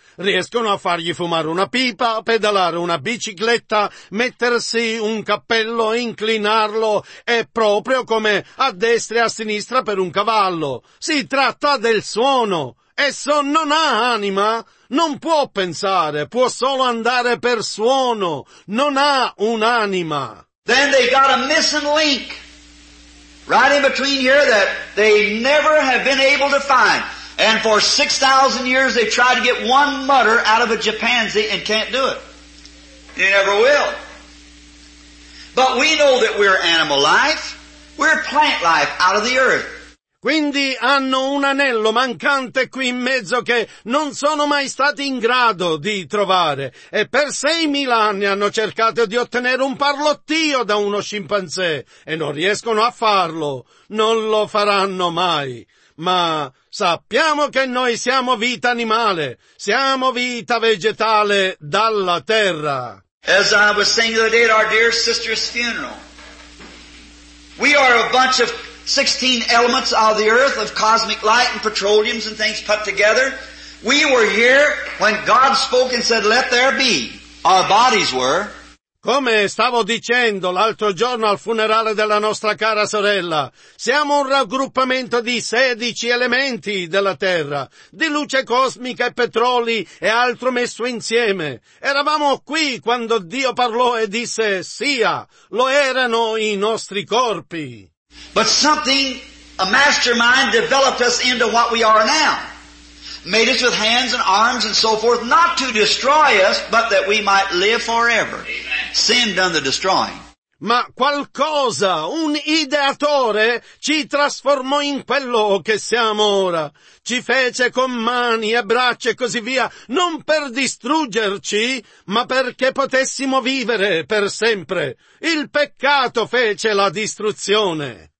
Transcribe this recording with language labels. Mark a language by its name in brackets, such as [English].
[Italian] Riescono a fargli fumare una pipa, pedalare una bicicletta, mettersi un cappello, inclinarlo, è proprio come a destra e a sinistra per un cavallo. Si tratta del suono. Esso non ha anima, non può pensare, può solo andare per suono, non ha un'anima. [English] Then they got a missing link right in between here that they never have been able to find. And for 6,000 years they tried to get one mutter out of a chimpanzee and can't do it. They never will. But we know that we're animal life, we're plant life out of the earth. [Italian] Quindi hanno un anello mancante qui in mezzo che non sono mai stati in grado di trovare. E per 6,000 anni hanno cercato di ottenere un parlottio da uno scimpanzé. E non riescono a farlo. Non lo faranno mai. Ma sappiamo che noi siamo vita animale. Siamo vita vegetale dalla terra. [English] As I was saying the day at our dear sister's funeral, we are a bunch of 16 elements of the earth, of cosmic light and petroleums and things put together. We were here when God spoke and said, let there be. Our bodies were. [Italian] Come stavo dicendo l'altro giorno al funerale della nostra cara sorella, siamo un raggruppamento di 16 elementi della terra, di luce cosmica e petroli e altro messo insieme. Eravamo qui quando Dio parlò e disse, sia, lo erano i nostri corpi. [English] But something, a mastermind, developed us into what we are now. Made us with hands and arms and so forth, not to destroy us, but that we might live forever. Amen. Sin done the destroying. [Italian] ma qualcosa, un ideatore, ci trasformò in quello che siamo ora. Ci fece con mani e braccia e così via, non per distruggerci, ma perché potessimo vivere per sempre. Il peccato fece la distruzione.